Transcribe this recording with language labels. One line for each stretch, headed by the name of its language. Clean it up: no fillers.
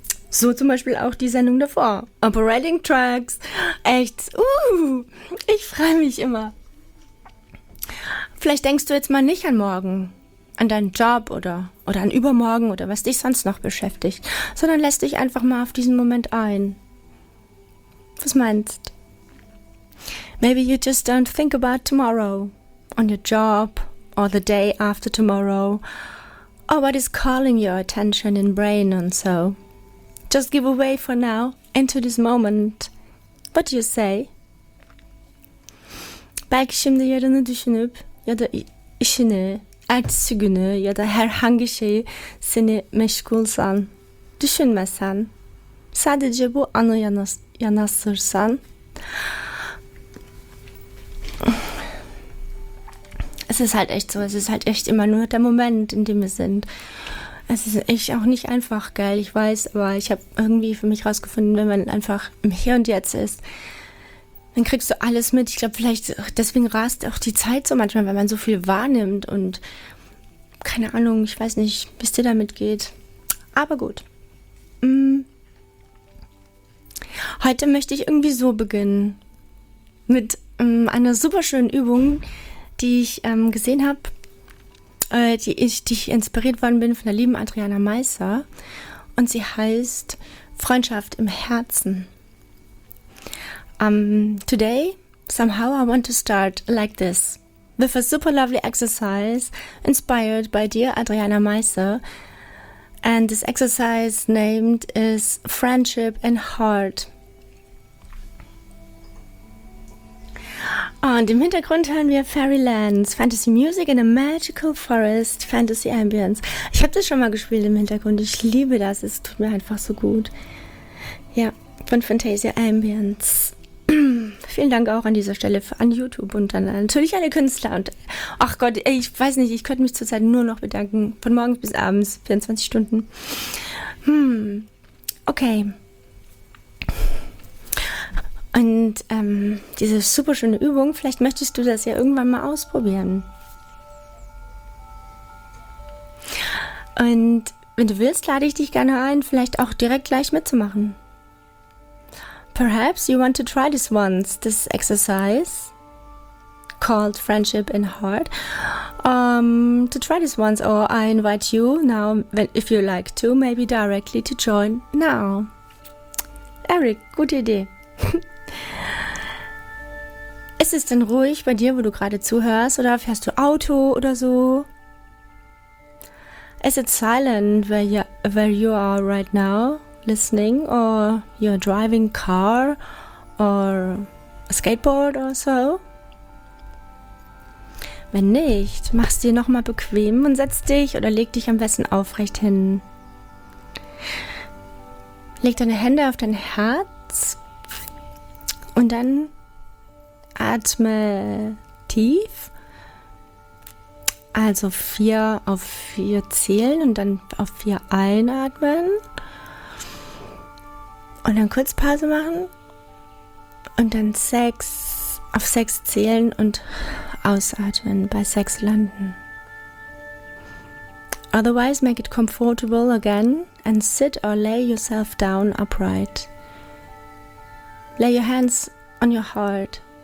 German: So zum Beispiel auch die Sendung davor. Operating Trucks. Echt. Ich freue mich immer. Vielleicht denkst du jetzt mal nicht an morgen, an deinen Job oder an übermorgen oder was dich sonst noch beschäftigt, sondern lässt dich einfach mal auf diesen Moment ein. Was meinst?
English: Maybe you just don't think about tomorrow. On your job or the day after tomorrow. Or what is calling your attention in brain and so. Just give away for now, into this moment. What do you say?
Turkish: Belki şimdi yarını düşünüp ya da işini, ertesi günü ya da herhangi şeyi seni meşgulsan, düşünmesen, sadece bu anı yanaştırsan.
German: Es ist halt echt so, es ist halt echt immer nur der Moment, in dem wir sind. Es ist echt auch nicht einfach, gell? Ich weiß, aber ich habe irgendwie für mich rausgefunden, wenn man einfach im Hier und Jetzt ist, dann kriegst du alles mit. Ich glaube, vielleicht deswegen rast auch die Zeit so manchmal, weil man so viel wahrnimmt und keine Ahnung, ich weiß nicht, wie es dir damit geht. Aber gut. Heute möchte ich irgendwie so beginnen. Mit einer super schönen Übung, die ich gesehen habe. Die ich inspiriert worden bin von der lieben Adriana Meisser. Und sie heißt Freundschaft im Herzen.
English: Today, somehow I want to start like this. With a super lovely exercise inspired by dear Adriana Meisser. And this exercise named is Friendship in Heart.
German: Und im Hintergrund hören wir Fairylands, Fantasy Music in a Magical Forest, Fantasy Ambience. Ich habe das schon mal gespielt im Hintergrund. Ich liebe das. Es tut mir einfach so gut. Ja, von Fantasia Ambience. Vielen Dank auch an dieser Stelle an YouTube und dann natürlich alle Künstler. Und ach Gott, ich weiß nicht, ich könnte mich zurzeit nur noch bedanken. Von morgens bis abends, 24 Stunden. Okay. Und diese super schöne Übung, vielleicht möchtest du das ja irgendwann mal ausprobieren. Und wenn du willst, lade ich dich gerne ein, vielleicht auch direkt gleich mitzumachen.
English: Perhaps you want to try this once, this exercise called Friendship in Heart. To try this once, or I invite you now, if you like to, maybe directly to join now.
German: Eric, gute Idee. Ist es denn ruhig bei dir, wo du gerade zuhörst, oder fährst du Auto oder so?
English: Is it silent where you are right now, listening, or you're driving car or a skateboard or so?
German: Wenn nicht, mach's dir nochmal bequem und setz dich oder leg dich am besten aufrecht hin. Leg deine Hände auf dein Herz und dann atme tief, also vier auf vier zählen und dann auf vier einatmen und dann kurz Pause machen und dann sechs auf sechs zählen und ausatmen, bei sechs landen.
English: Otherwise make it comfortable again and sit or lay yourself down upright. Lay your hands on your heart.